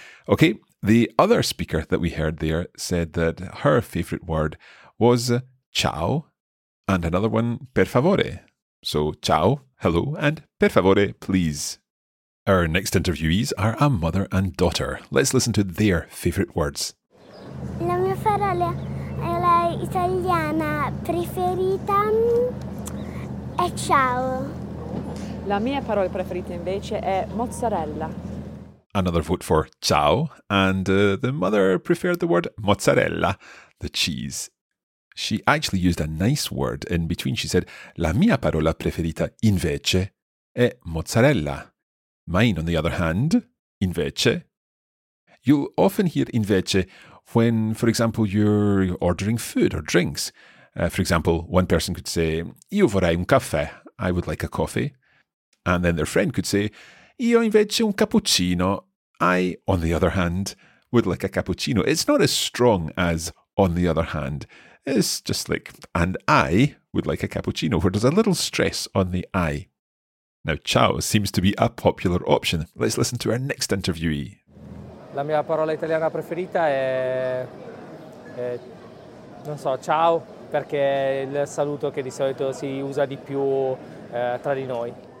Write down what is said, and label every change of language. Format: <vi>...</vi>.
<en>Okay, the other speaker that we heard there said that her favourite word was ciao, and another one, per favore. So ciao, hello, and per favore, please. Our next interviewees are a mother and daughter. Let's listen to their favourite words.</en> <it>La mia parola è la italiana preferita è ciao. La mia parola preferita invece è mozzarella.</it> <en>Another vote for ciao, and the mother preferred the word mozzarella, the cheese. She actually used a nice word in between. She said,</en> <it>la mia parola preferita invece è mozzarella.</it> <en>Mine, on the other hand, invece. You'll often hear invece when, for example, you're ordering food or drinks. For example, one person could say,</en> <it>io vorrei un caffè,</it> <en>I would like a coffee. And then their friend could say,</en> <it>io invece un cappuccino,</it> <en>I, on the other hand, would like a cappuccino. It's not as strong as on the other hand. It's just like, and I would like a cappuccino, where there's a little stress on the I. Now, ciao seems to be a popular option. Let's listen to our next interviewee.</en> <it>La mia parola italiana preferita è, non so, ciao, perché è il saluto che di solito si usa di più tra di noi.</it>